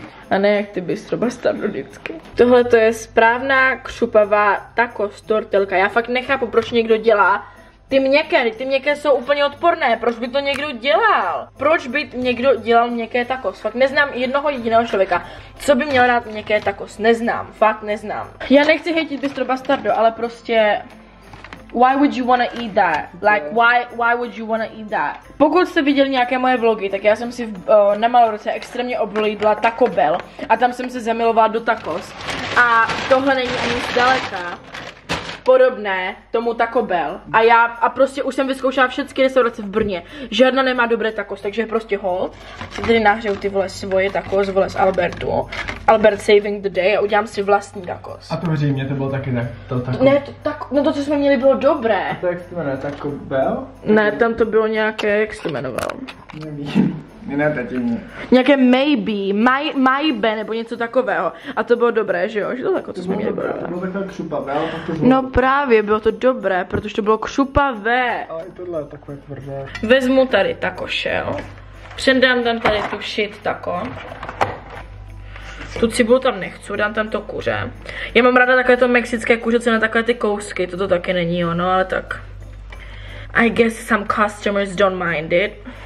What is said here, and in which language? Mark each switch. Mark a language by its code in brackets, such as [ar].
[cs] a ne jak ty bistro bastardo vždycky. Tohle to je správná křupavá tacos tortilka. Já fakt nechápu, proč někdo dělá ty měkké jsou úplně odporné, proč by to někdo dělal? Proč by někdo dělal měkké tacos? Fakt neznám jednoho jediného člověka, co by měl rád měkké tacos. Neznám, fakt neznám. Já nechci hejtit bistro bastardo, ale prostě... [en] Why would you wanna eat that? Like, why would you wanna eat that? [cs] Pokud jste viděli nějaké moje vlogy, tak já jsem si na Malorce extrémně oblíbila Taco Bell a tam jsem se zamilovala do tacos. A tohle není ani zdaleka podobné tomu Taco Bell. A já a prostě už jsem vyzkoušela všechny restaurace v Brně. Žádná nemá dobré tacos, takže prostě hold. Si tady nahřeju ty vole svoje tacos, vole z Albertu. [en] Albert saving the day [cs] a udělám si vlastní tacos. A to věří mě, to bylo taky ne, to taco. Ne, to taco, no to co jsme měli bylo dobré. A to jak se jmenuje, Taco Bell? Ne, tam to bylo nějaké, jak se jmenovalo? Nevím, ne, tady mě. Nějaké maybe, maybe nebo něco takového. A to bylo dobré, že jo, že to taco, co jsme měli bylo dobré. To bylo takové křupavé, ale pak to bylo. No právě, bylo to dobré, protože to bylo křupavé. Ale i tohle je takové tvrdé. Vezmu tady takoše, jo. Přendám tam tady tu shit taco. Tu cibulu tam nechci, dám tam to kuře. Já mám ráda takové to mexické kuře, co na takové ty kousky, toto taky není ono, ale tak. [en] I guess some customers don't mind it.